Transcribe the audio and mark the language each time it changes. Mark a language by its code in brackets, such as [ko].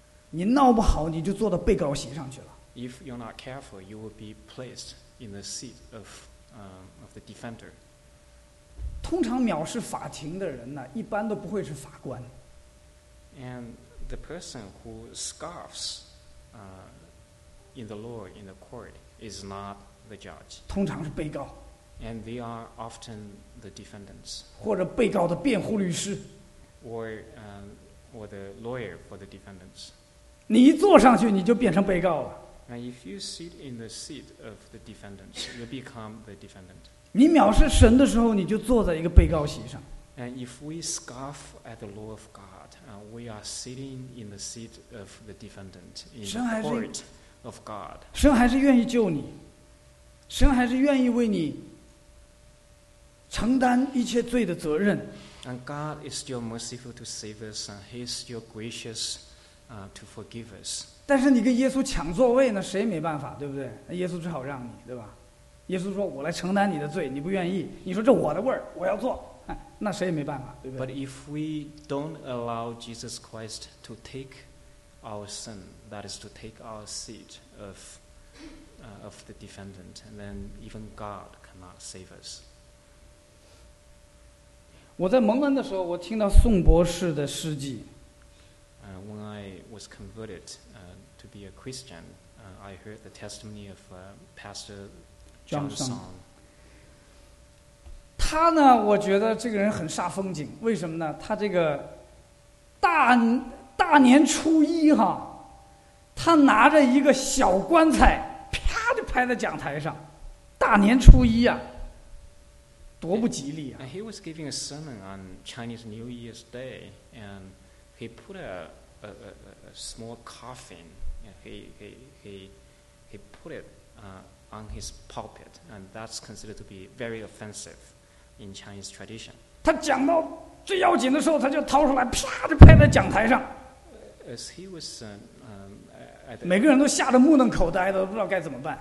[zh] 你闹不好，你就坐到被告席上去了。 [en] If you're not careful, you will be placed in the seat of the defender. [zh] 通常藐视法庭的人呢，一般都不会是法官。 [en] And the person who scoffs, in the law in the court is not the judge. [zh] 通常是被告。 [en] And they are often the defendants. [zh] 或者被告的辩护律师。 [en] Or the lawyer for the defendants. [zh] 你一坐上去，你就变成被告了。 [en] And if you sit in the seat of the defendants, you become the defendant. [zh] 你藐视神的时候，你就坐在一个被告席上。 [en] And if we scoff at the law of God, we are sitting in the seat of the defendant in the court of God. [zh] 神还是愿意救你，神还是愿意为你承担一切罪的责任。 [en] And God is still merciful to save us, and He is still gracious, to forgive us. [zh] 但是你跟耶稣抢座位呢，谁也没办法，对不对？耶稣只好让你，对吧？耶稣说：“我来承担你的罪，你不愿意。你说这我的味儿，我要做，那谁也没办法，对不对 [en] ？”But if we don't allow Jesus Christ to take our sin, that is to take our seat of the defendant, then even God cannot save us. [zh] 我在蒙恩的时候，我听到宋博士的事迹。 [en] When I was converted to be a Christian, I heard the testimony of Pastor. [zh] 张桑，他呢？我觉得这个人很煞风景。为什么呢？他这个大年初一哈，他拿着一个小棺材，啪就拍在讲台上。大年初一啊，多不吉利啊 [en] ！And he was giving a sermon on Chinese New Year's Day, and he put a small coffin. He put it. On his pulpit, and that's considered to be very offensive in Chinese tradition. [zh] 他讲到最要紧的时候，他就掏出来，啪就拍在讲台上。 [en] As he was, at [zh] 每个人都吓得目瞪口呆的，不知道该怎么办。